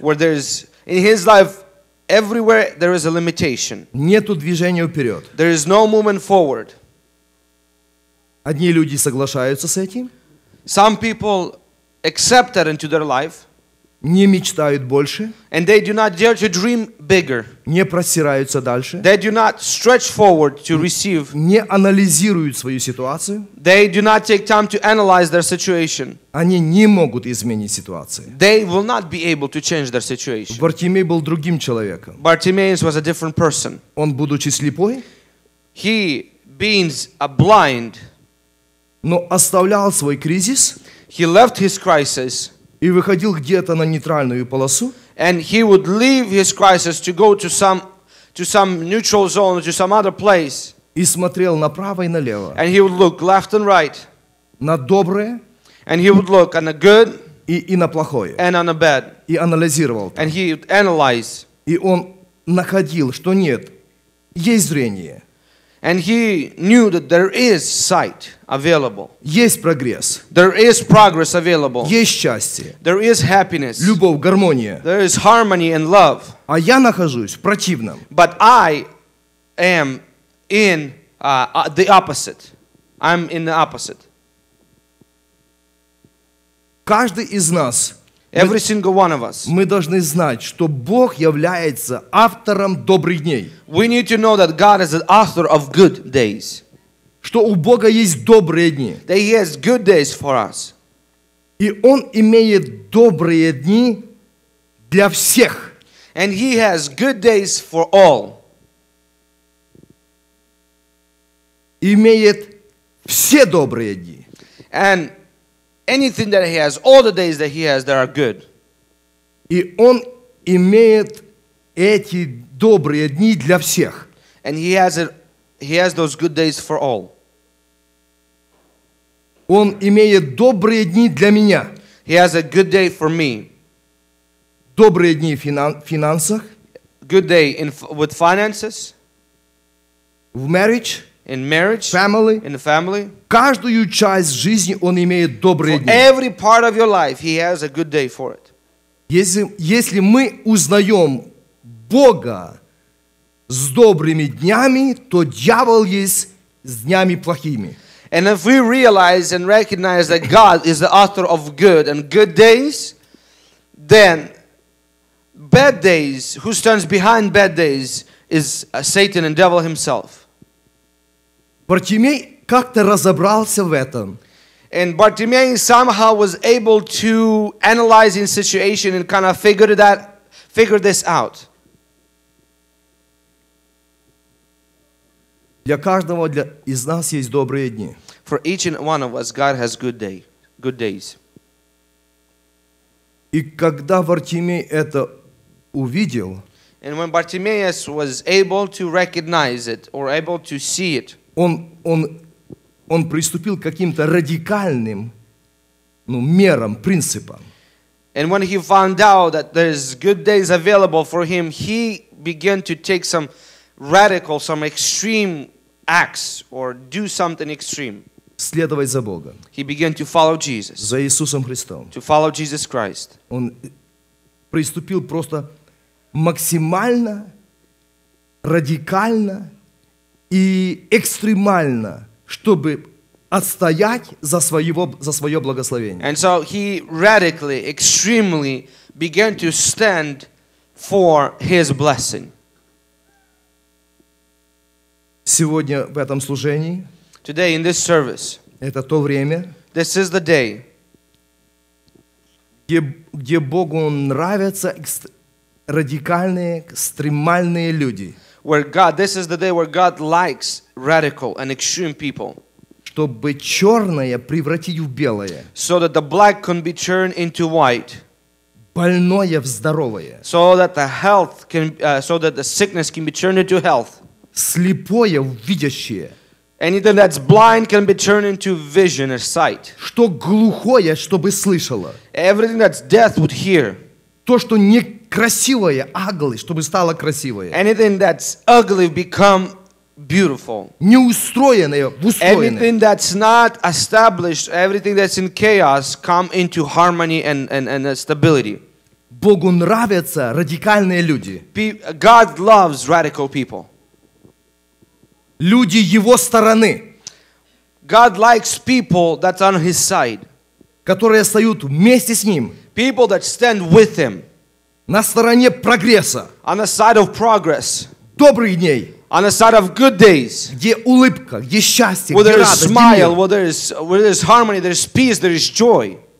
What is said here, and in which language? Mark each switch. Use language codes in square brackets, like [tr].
[en] Where there is in his life. Everywhere there is a limitation. [ru] Нету движения вперед. [en] There is no movement forward. [ru] Одни люди соглашаются с этим. [en] Some people accept that into their life. [ru] Не мечтают больше. [en] And they do not dare to dream bigger. [ru] Не простираются дальше. [en] They do not stretch forward to receive. [ru] Не анализируют свою ситуацию. [en] They do not take time to analyze their situation. [ru] Они не могут изменить ситуацию. [en] They will not be able to change their situation. [ru] Бартимей был другим человеком. [en] Bartimaeus was a different person. [ru] Он, будучи слепой, [en] he being a blind, [ru] но оставлял свой кризис. [en] He left his crisis. [ru] И выходил где-то на нейтральную полосу. [en] And he would leave his crisis to go to some neutral zone, to some other place. [ru] И смотрел направо и налево. [en] And he would look left and right. [ru] На доброе. [en] And he would look on the good. [ru] И на плохое. [en] And on the bad. [ru] И анализировал. [en] And he would analyze. [ru] И он находил, что нет, есть зрение. [en] And he knew that there is sight available. [ru] Есть прогресс. [en] There is progress available. [ru] Есть счастье. [en] There is happiness. [ru] Любовь, гармония. [en] There is harmony and love. [ru] А я нахожусь в противном. [en] But I am in the opposite. I'm in the opposite. [ru] Каждый из нас, [en] every single one of us, [ru] мы должны знать, что Бог является автором добрых дней. [en] We need to know that God is the author of good days. [ru] Что у Бога есть добрые дни. [en] That He has good days for us. [ru] И Он имеет добрые дни для всех. [en] And He has good days for all. [ru] Имеет все добрые дни. [en] And anything that He has, all the days that He has, they are good. [ru] И Он имеет эти добрые дни для всех. [en] And He has it, He has those good days for all. [ru] Он имеет добрые дни для меня. [en] He has a good day for me. [ru] Добрые дни в финансах. [en] Good day in with finances. [ru] В [en] marriage. In marriage. Family. In the family. [ru] Каждую часть жизни он имеет добрые [en] for [ru] дни. [en] Every part of your life, he has a good day for it. [ru] Если мы узнаем Бога с добрыми днями, то дьявол есть с днями плохими. [en] And if we realize and recognize that God is the author of good and good days, then bad days, who stands behind bad days, is Satan and devil himself. [ru] Бартимей как-то разобрался в этом. [en] And Bartimaeus somehow was able to analyze the situation and kind of figure this out. [ru] Для каждого из нас есть добрые дни. [en] For each and one of us, God has good days. [ru] И когда Бартимей это увидел, [en] and when Bartimaeus was able to recognize it or able to see it, [ru] он приступил к каким-то радикальным, ну, мерам, принципам. [en] And when he found out that there's good days available for him, he began to take some radical, some extreme acts or do something extreme. [ru] Следовать за Богом. [en] He began to follow Jesus. [ru] За Иисусом Христом. [en] To follow Jesus Christ. [ru] Он приступил просто максимально, радикально и экстремально, чтобы отстоять за свое благословение. [en] And so he radically, extremely began to stand for his blessing. [ru] Сегодня в этом служении, [en] today in this service, [ru] это то время, [en] this is the day, [ru] где Богу нравятся радикальные, экстремальные люди. [en] Where God, this is the day where God likes radical and extreme people. [ru] Чтобы черное превратить в белое. [en] So that the black can be turned into white. [ru] Больное в здоровое. [en] So that the health can, so that the sickness can be turned into health. [ru] Слепое в видящее. [en] Anything that's blind can be turned into vision or sight. [ru] Что глухое, чтобы слышало. [en] Everything that's deaf would hear. [ru] То, что некрасивое, [en] ugly, [ru] чтобы стало красивое. [en] Anything that's ugly become beautiful. [ru] Неустроенное в устроенное. [en] Anything that's not established, everything that's in chaos, come into harmony and stability. [ru] Богу нравятся радикальные люди. [en] God loves radical people. [ru] Люди его стороны. [en] God likes people that's on his side. [ru] Которые стоят вместе с ним. [en] People that stand with him. [ru] На стороне прогресса. [en] On the side of progress. [ru] Добрых дней. [en] On the side of good days. [ru] Где улыбка, где счастье, [en] where [ru] где [en] there is [ru] радость, [en] smile, where there is harmony, there is peace, there is joy.